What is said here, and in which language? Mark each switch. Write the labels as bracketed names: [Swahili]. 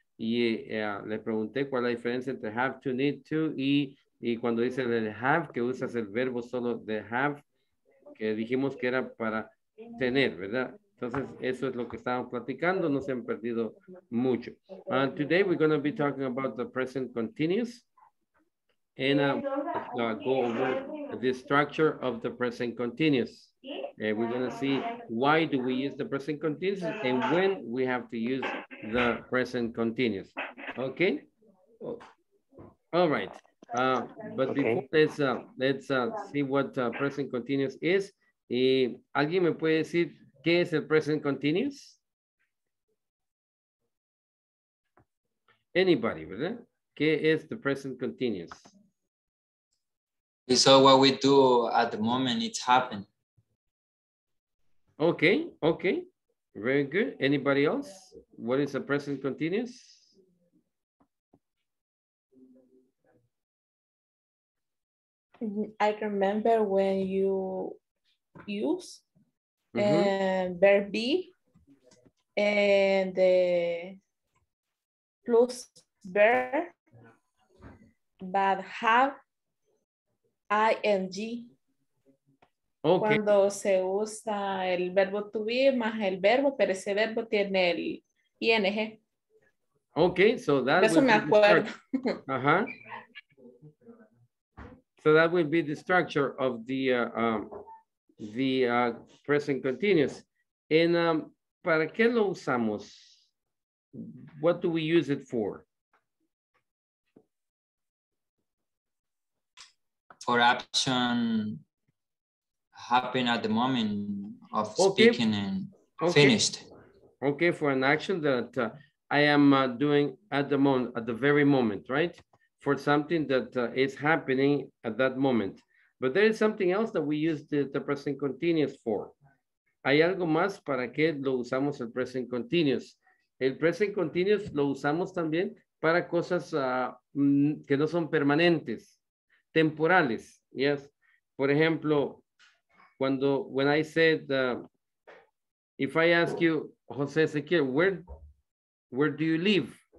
[Spanish] Y le pregunté cuál es la diferencia entre have to, need to y... Y cuando dice el have, que usas el verbo solo de have, que dijimos que era para tener, ¿verdad? Entonces, eso es lo que estábamos platicando. No se han perdido mucho. [English] Today, we're going to be talking about the present continuous. And go over the structure of the present continuous. And we're going to see why do we use the present continuous and when we have to use the present continuous. Okay? All right. But okay. Before this, let's see what present continuous is. [Spanish] ¿Y alguien me puede decir qué es el present continuous? [English] Anybody, [Spanish] ¿verdad? ¿Qué es the present continuous? [English] So what we do at the moment, it's happened. Okay, okay. Very good. Anybody else? What is the present continuous? I remember when you use verb be and the plus verb, but have ing. Okay. [Spanish] Cuando se usa el verbo to be más el verbo, pero ese verbo tiene el ing. [English] Okay, so that. [Spanish] Eso me acuerdo. Ajá. [English] So that would be the structure of the present continuous. And [Spanish] ¿para qué lo usamos? [English] What do we use it for? For action happening at the moment of speaking and finished. Okay, for an action that I am doing at the moment, at the very moment, right? For something that is happening at that moment. But there is something else that we use the present continuous for. [Spanish] ¿Hay algo más para qué lo usamos el present continuous? El present continuous lo usamos también para cosas que no son permanentes, temporales. [English] Yes. [Spanish] Por ejemplo, cuando, [English] when I said, if I ask you, José Ezequiel, where do you live?